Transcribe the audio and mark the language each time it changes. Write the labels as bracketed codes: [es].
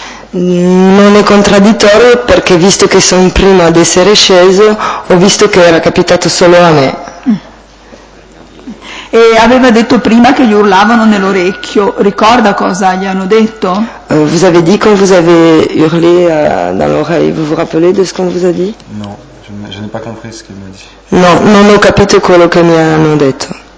[it] Non è contraddittorio perché visto che sono primo ad essere sceso ho visto che era capitato solo a me. E aveva detto prima che gli urlavano nell'orecchio, ricorda cosa gli hanno detto? [fr] Vous avez dit quand vous avez hurlé dans l'oreille, vous vous rappelez de ce qu'on vous a dit? No, je n'ai pas compris ce qu'il m'a dit. [it] No, non ho capito quello che mi hanno detto.